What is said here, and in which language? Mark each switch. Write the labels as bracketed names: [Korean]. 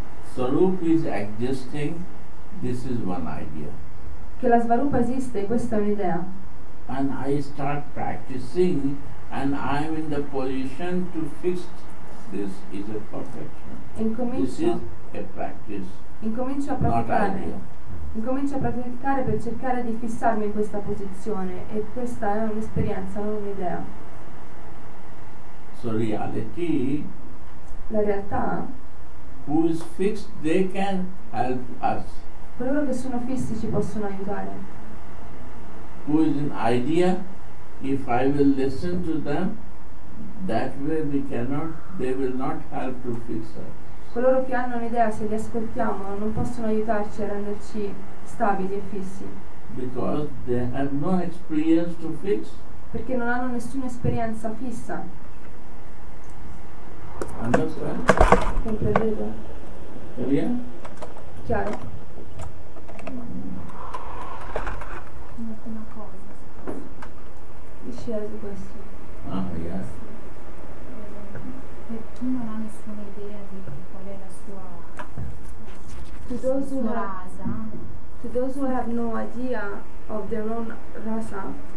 [English] Svarup is existing, this is one idea. [Italian] Che la svarupa esiste, questa è un'idea. [English] And I start practicing and I am in the position to fix this is a perfection. [Italian] Incomincio. [English] This is a practice. [Italian] Incomincio a praticare. Incomincio a praticare per cercare di fissarmi in questa posizione e questa è un'esperienza, non un'idea. [English] So reality. [Italian] La realtà. [English] Who is fixed, they can help us. [Italian] Coloro che sono fissi ci possono aiutare. [English] Who is an idea, if I will listen to them, that way we cannot, they will not help to fix us. [Italian] Coloro che hanno un'idea, se li ascoltiamo, non possono aiutarci a renderci stabili e fissi. [English] Because they have no experience to fix. [Italian] Perché non hanno nessuna esperienza fissa. [English] Understand? [Italian] Comprendete? [English] Clear? [Italian] Chiaro. Una cosa. Discerto questo. [English] Ah, yes. [Italian] Per chi non ha nessuna idea di qual è la sua rasa. [English] To those who have no idea of their own rasa.